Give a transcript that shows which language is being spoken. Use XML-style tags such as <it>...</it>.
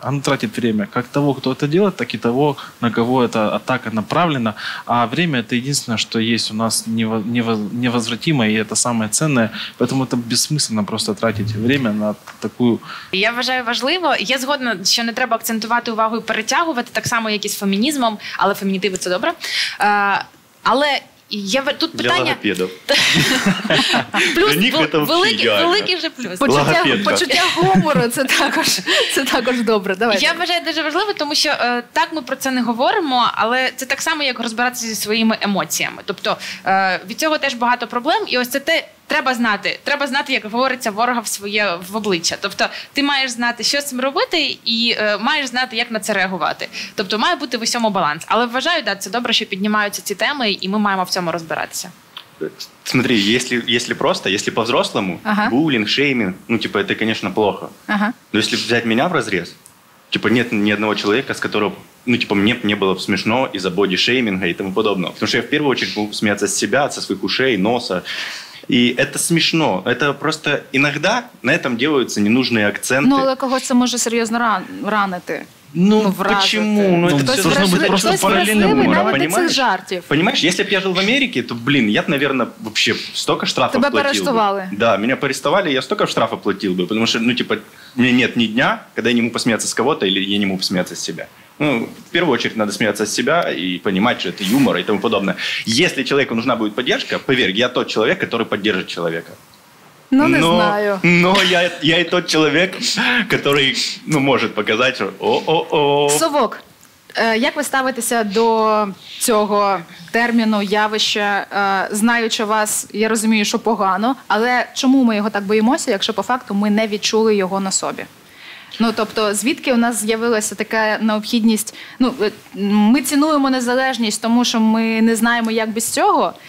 <ru>Оно тратит время как того, кто это делает, так и того, на кого эта атака направлена. А время – это единственное, что есть у нас невозвратимое, и это самое ценное. Поэтому это бессмысленно просто тратить время на такую…</ru> <uk>Я вважаю важливо. Я згодна, що не треба акцентувати увагу і перетягувати так само, як і з фемінізмом. Але фемінітиви – це добре. Але… Я тут питання для логопедів. Плюс великий же плюс. Почуття гумору це також добре. Давайте. Я вважаю дуже важливо, тому що так ми про це не говоримо, але це так само, як розбиратися зі своїми емоціями. Тобто від цього теж багато проблем, і ось це те. Треба знати, як говориться ворога в своє в обличчя. Тобто, ти маєш знати, що з цим робити, і маєш знати, як на це реагувати. Тобто, має бути в усьому баланс. Але вважаю, да, це добре, що піднімаються ці теми, і ми маємо в цьому розбиратися. Смотри, якщо по-взрослому, ага. Булінг, шеймінг, ну, типу, це, звісно, плохо. Ага. Але якщо взяти мене в розріз, типу, нет ні одного чоловіка, з якого, ну, типу, мені б не було б смішно із-за боді-шеймінга і тому подобного. Тому що я в першу чергу був сміятися з себе, зі своїх ушей, носа.</uk> <ru>И это смешно. Это просто иногда на этом делаются ненужные акценты.</ru> <uk>Ну, але когось це може серйозно ранити.</uk> <ru>Ну, почему? Ну, это должно быть просто параллельно. Понимаешь, если б я жил в Америке, то, блин, я б, наверное, вообще столько штрафов платил. Тебе арестовали. Да, меня арестовали, я столько штрафов платил бы. Потому что, ну, типа, у меня нет ни дня, когда я не могу посмеяться с кого-то или я не могу посмеяться с себя. Ну, в первую очередь надо смеяться с себя и понимать, что это юмор и тому подобное. Если человеку нужна будет поддержка, поверь, я тот человек, который поддержит человека. Ну, не знаю. Но я и тот человек, который, ну, может показать, что о-о-о.</ru> <uk>Совок, як ви ставитеся до цього терміну, явища? Знаючи вас, я розумію, що погано, але чому ми його так боїмося, якщо по факту ми не відчули його на собі? Ну, тобто, звідки у нас з'явилася така необхідність? Ну, ми цінуємо незалежність, тому що ми не знаємо, як без цього?</uk>